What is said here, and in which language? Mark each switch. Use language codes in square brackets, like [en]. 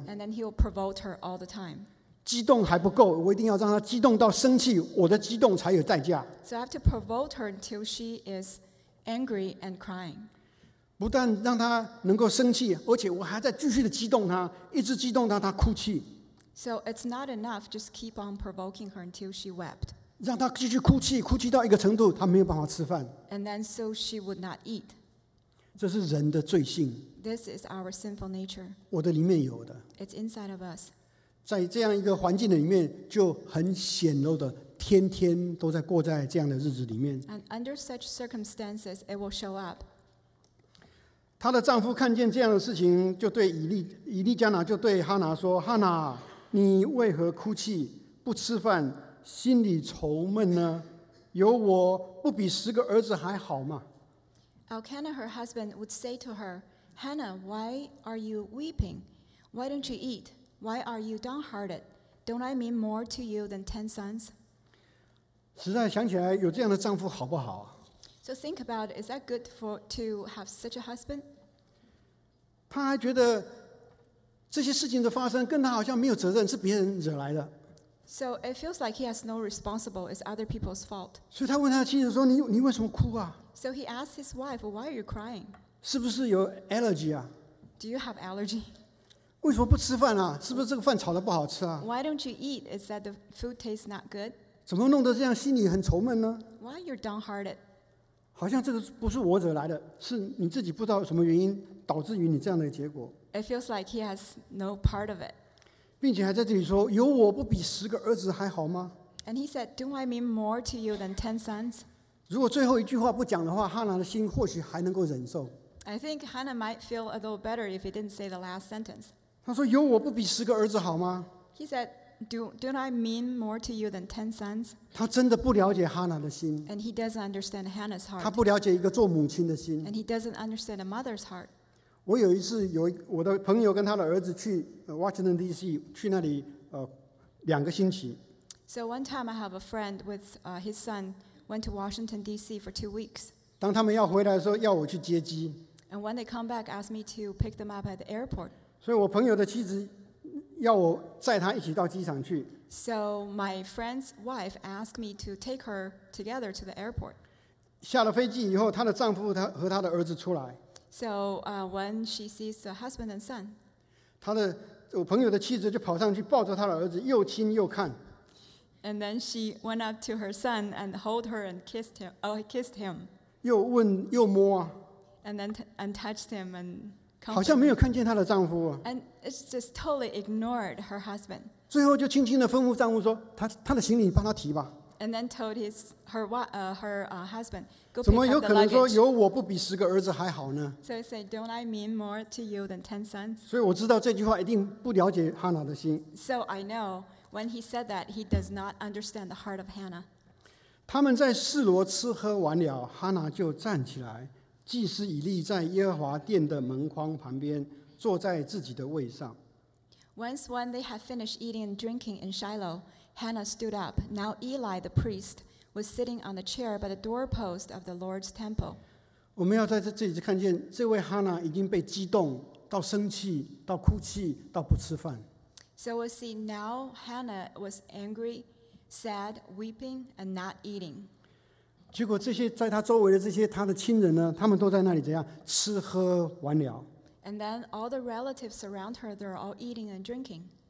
[en] And then he'll provoke her all the time. [zh] 激动还不够，我一定要让她激动到生气，我的激动才有代价。 [en] So I have to provoke her until she is angry and crying. [zh] 不但让她能够生气，而且我还在继续的激动她，一直激动到她哭泣。 [en] So it's not enough, just keep on provoking her until she wept. [zh] 让她继续哭泣，哭泣到一个程度，她没有办法吃饭。 [en] And then so she would not eat. [zh] 这是人的罪性。 [en] This is our sinful nature. [zh] 我的里面有的。 [en] It's inside of us. [zh] 在这样一个环境的里面，就很显露的，天天都在过在这样的日子里面。 [en] And under such circumstances, it will show up. [zh] 她的丈夫看见这样的事情，就对以利加拿就对哈拿说：“哈拿，你为何哭泣不吃饭，心里愁闷呢？有我不比十个儿子还好吗 [en] ？”Elkanah, her husband, would say to her, "Hannah, why are you weeping? Why don't you eat?" Why are you downhearted? Don't I mean more to you than 10 sons? [zh] 实在想起来，有这样的丈夫好不好？ [en] So think about it. Is that good to have such a husband? [zh] 她还觉得这些事情的发生跟她好像没有责任，是别人惹来的。 [en] So it feels like he has no responsible. It's other people's fault. [zh] 所以她问她的妻子说：“你为什么哭啊？” [en] So he asked his wife, "Why are you crying?" [zh] 是不是有 allergy 啊？ [en] Do you have allergy? [zh] 为什么不吃饭啊？是不是这个饭炒的不好吃啊？ [en] Why don't you eat? Is that the food tastes not good? [zh] 怎么弄得这样，心里很愁闷呢？ [en] Why you're downhearted? [zh] 好像这个不是我惹来的，是你自己不知道什么原因导致于你这样的结果。 [en] It feels like he has no part of it. [zh] 并且还在这里说，有我不比十个儿子还好吗？ [en] And he said, Don't I mean more to you than 10 sons? [zh] 如果最后一句话不讲的话，哈拿的心或许还能够忍受。 [en] I think Hannah might feel a little better if he didn't say the last sentence. [zh] 他说有我不比十个儿子好吗？ [en] He said, Don't I mean more to you than 10 sons? [zh] 他真的不了解哈拿的心。 [en] And he doesn't understand Hannah's heart. [zh] 他不了解一个做母亲的心。 [en] And he doesn't understand a mother's heart. [zh] 我有一次有我的朋友跟他的儿子去 Washington DC 去那里两个星期。 [en] So one time I have a friend with his son went to Washington DC for 2 weeks. [zh] 当他们要回来的时候要我去接机。 [en] And when they come back, ask me to pick them up at the airport. [zh] 所以我朋友的妻子要我载她一起到机场去。 [en] So my friend's wife asked me to take her together to the airport. [zh] 下了飞机以后，她的丈夫和她的儿子出来。 [en] So when she sees the husband and son, [zh] 她的我朋友的妻子就跑上去抱着她的儿子，又亲又看。 [en] And then she went up to her son and held her and kissed him. Oh, kissed him. [zh] 又问又摸啊。 [en] And then untouched him and [zh] 好像没有看见她的丈夫。 [en] And it's just totally ignored her husband. [zh] 最后就轻轻地吩咐丈夫说：“她的行李帮她提吧。 [en] ”And then told her husband, "Go pick up the luggage." [zh] 怎么有可能说有我不比十个儿子还好呢 [en] ？So he said, "Don't I mean more to you than 10 sons?" [zh] 所以我知道这句话一定不了解哈拿的心。 [en] So I know when he said that, he does not understand the heart of Hannah. [zh] 他们在示罗吃喝完了，哈拿就站起来。祭司以利在耶和华殿的门框旁边坐在自己的位上。 [en] Once when they had finished eating and drinking in Shiloh, Hannah stood up. Now Eli the priest was sitting on the chair by the doorpost of the Lord's temple. [zh] 我们要在这里看见，这位哈拿已经被激动到生气，到哭泣，到不吃饭。 [en] So we see now Hannah was angry, sad, weeping, and not eating. [zh] 结果这些在他周围的这些他的亲人呢，他们都在那里怎样吃喝完了。 [en] And then all the relatives around her, they're all eating and drinking.